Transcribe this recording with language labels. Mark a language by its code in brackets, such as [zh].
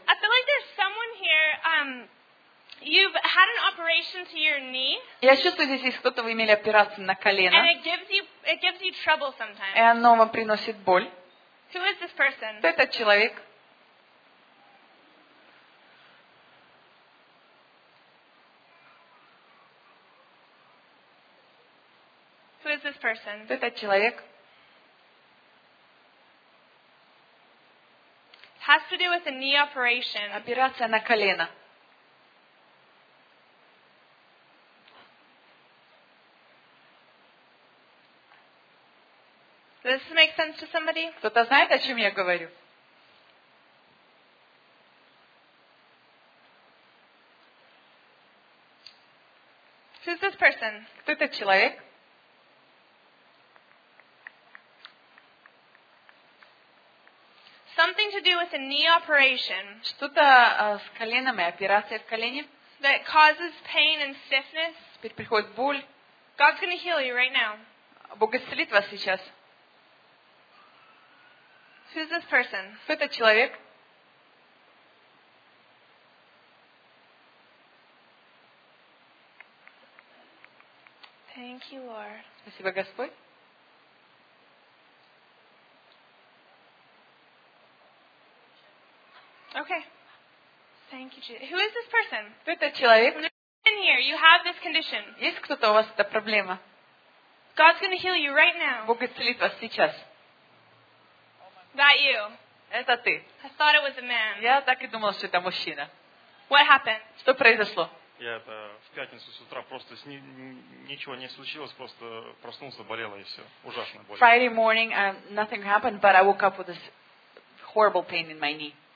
[en] I feel like there's someone here. You've had an operation to your knee. [ru] Я чувствую, здесь есть кто-то, вы имели операцию на колено. [en] And it gives you trouble sometimes. [ru] И оно вам приносит боль. [en] Who is this person? [ru] Кто этот человек? [en] Who is this person? [ru] Кто этот человек? [en] It has to do with a knee operation. [ru] Операция на колено. [en] Does this make sense to somebody? [ru] Кто-то знает, о чем я говорю? [en] Who's this person? [ru] Кто этот человек? [en] Something to do with a knee operation. [ru] Что-то с коленом и операция в колене. [en] That causes pain and stiffness. [ru] Теперь приходит боль. [en] God's going to heal you right now. [ru] Бог исцелит вас сейчас. [en] Who's this person? [ru] Кто этот человек? [en] Thank you, Lord. [ru] Спасибо, Господь. [en] Okay. Thank you, Jesus. Who is this person? [ru] Кто этот человек? [en] In here, you have this condition. [ru] Есть кто-то у вас эта проблема? [en] God's going to heal you right now. [ru] Бог исцелит вас сейчас. [en] That you? [ru] Это ты. [en] I thought it was a man. [ru] Я так и думал, что это мужчина. [en] What happened? [ru] Что произошло? Я это в пятницу с утра просто с ничего не случилось, просто проснулся, болело и все. Ужасно болело. [en] Friday morning, nothing happened, but I woke up with this horrible pain in my knee.